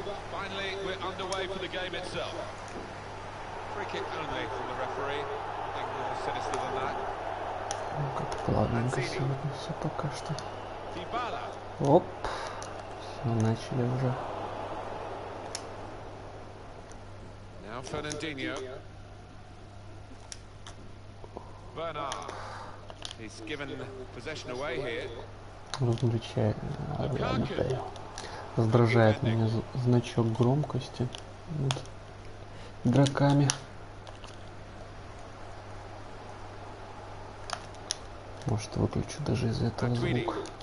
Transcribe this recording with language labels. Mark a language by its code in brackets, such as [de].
[en] Finally, we're underway for the game itself. Free kick only from the referee. Nothing more sinister than that. [ru] Как плавненько сегодня все пока что. Дибала. Оп, все начали уже. [en] Now Fernandinho. Bernard. He's given possession away here. [ru] Выключай, отдаю. Раздражает меня значок громкости над игроками. Может, выключу даже из этого звук.